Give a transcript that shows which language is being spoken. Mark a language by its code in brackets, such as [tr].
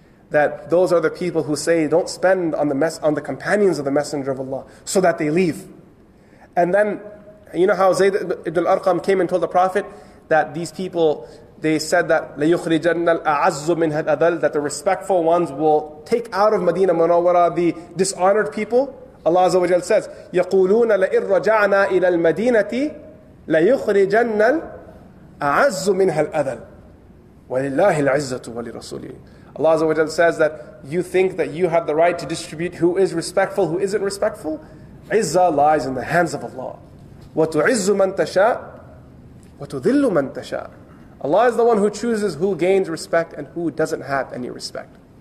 [en] That those are the people who say, don't spend on the companions of the Messenger of Allah, so that they leave. And then, you know how Zayd ibn al-Arqam came and told the Prophet that these people, they said that [ar] لَيُخْرِجَنَّ الْأَعَزُّ مِنْ هَدْأَذَلِ, [en] that the respectful ones will take out of Medina Munawwara the dishonored people. Allah Azza wa Jal says, [ar] يَقُولُونَ لَئِن رَجَعْنَا إِلَى الْمَدِينَةِ لَيُخْرِجَنَّ الْأَعَزُّ مِنْ هَدْأَذَلِ. وَلِلَّهِ الْعِزَّةُ وَلِرَسُولِهِ. [en] Allah Azza wa Jalla says that you think that you have the right to distribute who is respectful, who isn't respectful. عِزَّة lies in the hands of Allah. [ar] وَتُعِزُّ مَن تَشَاءُ وَتُذِلُّ مَن تَشَاءُ. [en] Allah is the one who chooses who gains respect and who doesn't have any respect.